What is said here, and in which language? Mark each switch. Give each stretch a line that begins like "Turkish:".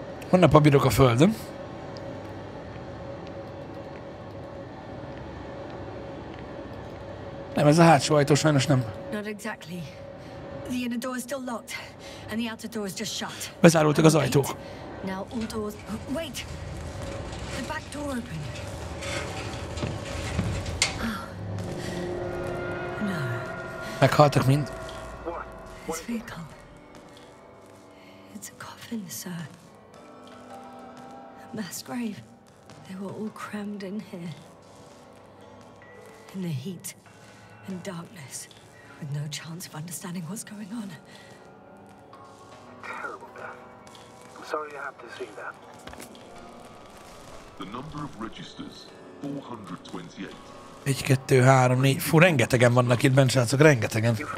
Hungarian: Honnan papírok a földön? Nem, ez a hátsó ajtó, sajnos nem.
English: Not exactly. The inner door is still locked, and the outer door is just shut.
Hungarian: Bezárultak az ajtók.
English: Now all doors. Wait. The back door open.
Hungarian: Meghaltak mind.
English: His vehicle. It's a coffin, sir. A mass grave. They were all crammed in here. In the heat. In darkness. With no chance of understanding what's going on. Terrible death. I'm sorry you have to see that. The number of registers. 428. 1, 2, 3, 4.
Hungarian: Fú, rengetegen vannak itt bent, srácok, rengetegen.